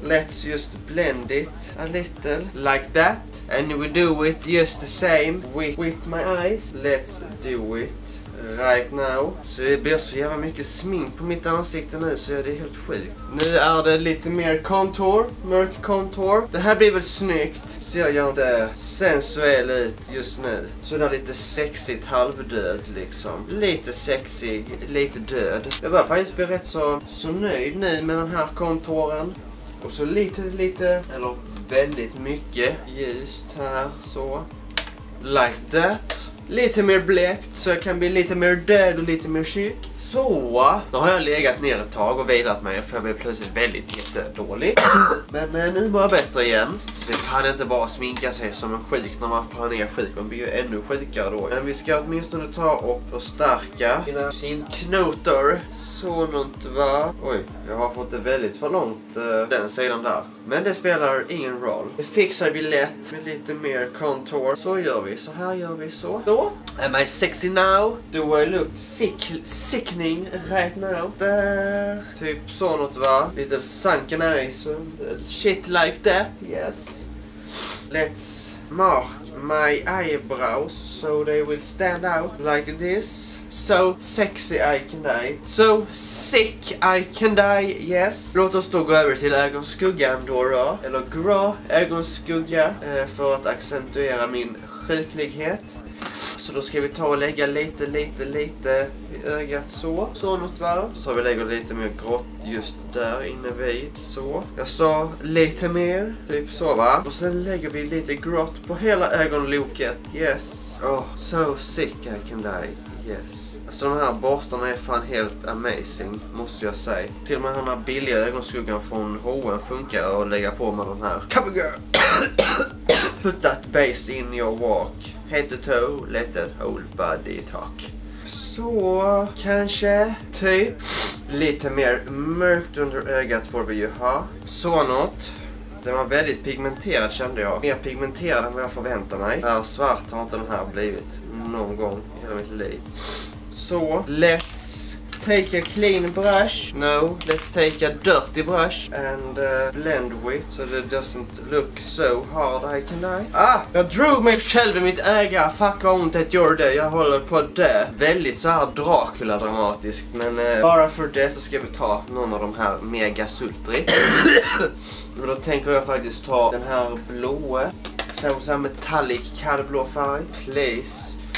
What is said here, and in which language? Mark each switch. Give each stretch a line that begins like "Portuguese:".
English: Let's just blend it a little. Like that. And we do it just the same with my eyes. Let's do it right now.
Swedish: Så det blir så jävla mycket smink på mitt ansikte nu, så är det helt sjukt. Nu är det lite mer contour, mörk contour. Det här blir väl snyggt. Ser jag inte sensuell ut just nu? Så det är lite sexigt halvdöd liksom. Lite sexig, lite död. Jag börjar faktiskt bli rätt så nöjd nu med den här contouren. Och så lite, eller väldigt mycket ljust här, så.
English: Like that.
Swedish: Lite mer blekt, så jag kan bli lite mer död och lite mer sjuk. Så, då har jag legat ner ett tag och vilat mig, för jag blev plötsligt väldigt jättedålig. Men nu mår jag bättre igen. Så det fan inte bara sminka sig som en sjuk när man fan är sjuk. Man blir ju ännu sjukare då. Men vi ska åtminstone ta och förstärka mina kindknotor. Så något va? Oj, jag har fått det väldigt för långt den sidan där. Men det spelar ingen roll. Det fixar vi lätt med lite mer contour. Så gör vi, så här gör vi så. Då.
English: Am I sexy now? Do I look sickening right now? Där.
Swedish: Typ så något va? Lite
English: sunken eyes and shit like that. Yes. Let's mark my eyebrows so they will stand out like this. So sexy I can die. So sick I can die, yes.
Swedish: Låt oss då gå över till ögonskuggan då. Eller grå ögonskugga. För att accentuera min sjuklighet. Så då ska vi ta och lägga lite i ögat så. Så något va? Så tar vi och lägger lite mer grått just där inne vid. Så. Jag sa lite mer. Typ så va? Och sen lägger vi lite grått på hela ögonloket. Yes.
English: Oh, so sick I can die. Yes.
Swedish: Alltså de här borstarna är fan helt amazing, måste jag säga. Till och med den här billiga ögonskuggan från H&M funkar att lägga på med de här.
English: Come on girl! Put that base in your walk. Head to toe, let that whole body talk.
Swedish: Så, kanske, typ. lite mer mörkt under ögat får vi ju ha. Så något. Den var väldigt pigmenterad kände jag. Mer pigmenterad än vad jag förväntar mig. Svart har inte den här blivit någon gång i hela mitt liv.
English: Så, let's take a clean brush. No, let's take a dirty brush. And blend with so it doesn't look so hard I can die.
Swedish: Ah, jag drog mig själv i mitt öga. Fuck vad ont det gjorde. Jag håller på att dö. Väldigt så här Dracula dramatiskt. Men bara för det så ska vi ta någon av de här mega sultry. Och då tänker jag faktiskt ta den här blåa. Sen så här metallic kallblå färg. Please.